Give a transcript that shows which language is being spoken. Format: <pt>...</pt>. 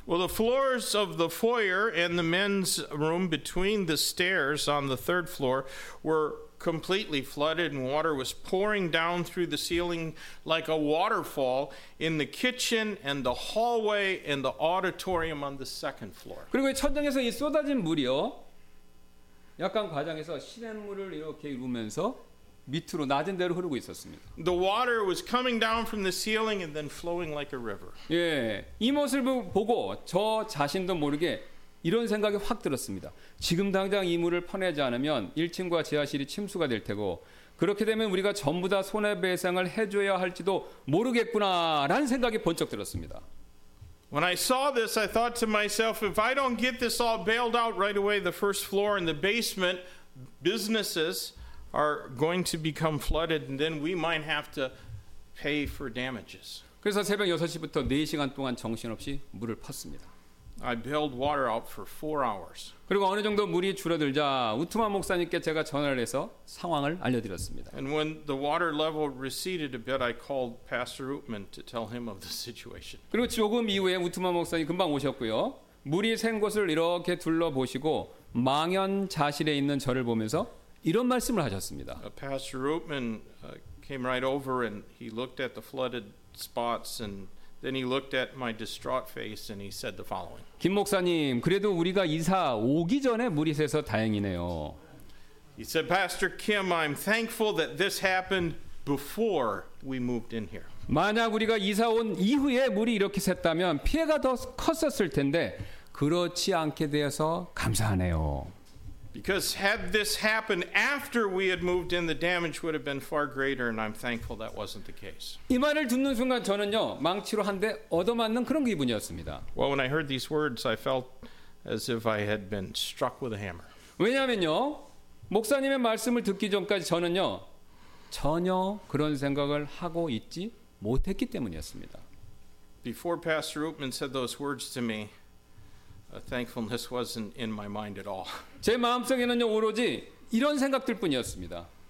<en>Well, the floors of the foyer and the men's room between the stairs on the third floor were completely flooded and water was pouring down through the ceiling like a waterfall in the kitchen and the hallway and the auditorium on the second floor.</en> <ko>그리고 천장에서 이 쏟아진 물이요. 약간 과장해서 시냇물을 이렇게 이루면서 밑으로 낮은 데로 흐르고 있었습니다.</ko> <en>The water was coming down from the ceiling and then flowing like a river.</en> <ko>예, 이 모습을 보고 저 자신도 모르게 이런 생각이 확 들었습니다. 지금 당장 이 물을 퍼내지 않으면 1층과 지하실이 침수가 될 테고 그렇게 되면 우리가 전부 다 손해배상을 해줘야 할지도 모르겠구나라는 생각이 번쩍 들었습니다.</ko> <en>When I saw this, I thought to myself, if I don't get this all bailed out right away, the first floor and the basement businesses are going to become flooded and then we might have to pay for damages.</en> <ko>그래서 새벽 6시부터 4시간 동안 정신없이 물을 팠습니다.</ko> <en>I bailed water out for 4 hours.</en> <ko>그리고 어느 정도 물이 줄어들자 우투마 목사님께 제가 전화를 해서 상황을 알려드렸습니다.</ko> <en>And when the water level receded a bit, I called Pastor Utman to tell him of the situation.</en> <ko>그리고 조금 이후에 우투마 목사님 금방 오셨고요. 물이 샌 곳을 이렇게 둘러보시고 망연자실해 있는 저를 보면서 이런 말씀을 하셨습니다.</ko> <en>Pastor Rootman came right over and he looked at the flooded spots and then he looked at my distraught face and he said the following.</en> <ko>김 목사님, 그래도 우리가 이사 오기 전에 물이 새서 다행이네요.</ko> <en>He said, Pastor Kim, I'm thankful that this happened before we moved in here.</en> <ko>만약 우리가 이사 온 이후에 물이 이렇게 샜다면 피해가 더 컸었을 텐데 그렇지 않게 되어서 감사하네요.</ko> <en>Because had this happened after we had moved in, the damage would have been far greater, and I'm thankful that wasn't the case.</en> <ko>이 말을 듣는 순간 저는요 망치로 한 대 얻어맞는 그런 기분이었습니다.</ko> <en>Well, when I heard these words, I felt as if I had been struck with a hammer.</en> <ko>왜냐면요. 목사님의 말씀을 듣기 전까지 저는요. 전혀 그런 생각을 하고 있지 못했기 때문이었습니다.</ko> <en>Before Pastor Oopman said those words to me, thankfulness wasn't in my mind at all.</en> <ko>제 마음속에는요 오로지 이런 생각들 뿐이었습니다.</ko>